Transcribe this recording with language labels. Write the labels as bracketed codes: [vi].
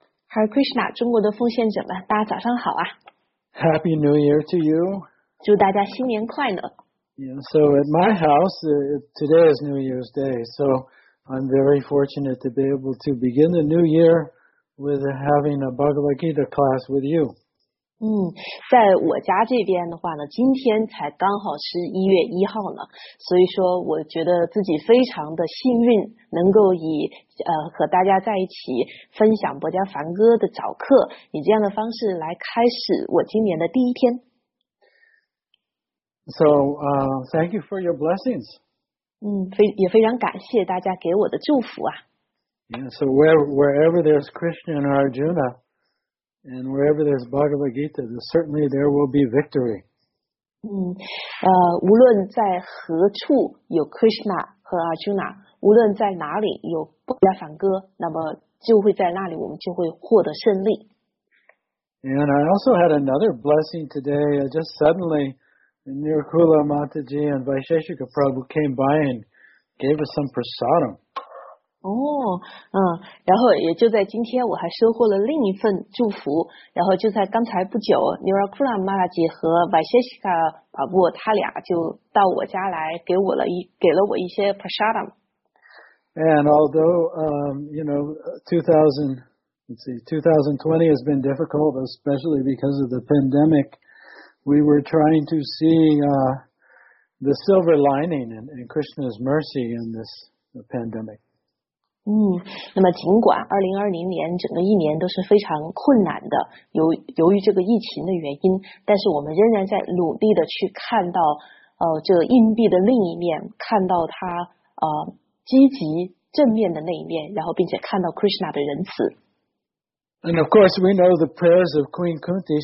[zh] Hare Krishna, 中国的奉献者们，大家早上好啊。 [en] Happy New Year to you. [zh] 祝大家新年快乐。 [en] Yeah, so at my house, today is New Year's Day, so I'm very fortunate to be able to begin the new year with having a Bhagavad Gita class with you. [zh] 在我家这边的话呢，今天才刚好是一月一号呢，所以说我觉得自己非常的幸运，能够以和大家在一起分享博加梵歌的早课，以这样的方式来开始我今年的第一天。 [en] So, thank you for your blessings. [zh] 也非常感谢大家给我的祝福啊。 [en] Yeah, so wherever there's Krishna and Arjuna, and wherever there's Bhagavad Gita, certainly there will be victory. [zh] 无论在何处有 Krishna 和 Arjuna, 无论在哪里有波加梵歌，那么就会在那里，我们就会获得胜利。 [en] And I also had another blessing today, just suddenly,Nirkula Mataji and Vaisheshika Prabhu came by and gave us some prasadam. [zh] 然后也就在今天我还收获了另一份祝福，然后就在刚才不久 Nirkula Mataji 和 Vaisheshika Prabhu 他俩就到我家来给了我一些 prasadam. [en] And although, you know, 2020 has been difficult, especially because of the pandemic,We were trying to see the silver lining and Krishna's mercy in this pandemic. [zh] 那么尽管2020年整个一年都是非常困难的，由于这个疫情的原因，但是我们仍然在努力的去看到这个硬币的另一面，看到它积极正面的那一面，然后并且看到 Krishna 的仁慈。 [en] And of course, we know the prayers of Queen Kunti.